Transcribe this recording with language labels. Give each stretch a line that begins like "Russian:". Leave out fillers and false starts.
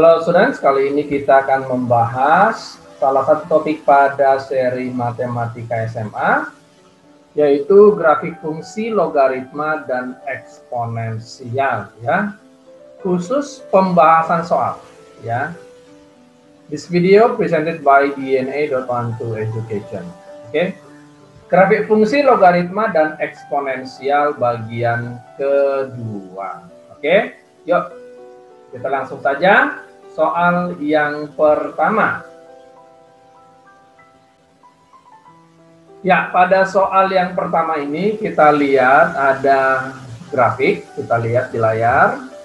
Indonesian: Students, kali ini kita akan membahas salah satu topik pada seri matematika SMA, yaitu grafik fungsi logaritma dan eksponensial, ya. Khusus pembahasan soal, ya.
English: This video presented by DNA.12 Education.
Indonesian: Oke. Grafik fungsi logaritma dan eksponensial bagian kedua. Oke. Yuk, kita langsung saja. Soal yang pertama. Ya, pada soal yang pertama ini kita lihat ada grafik, kita lihat di layar.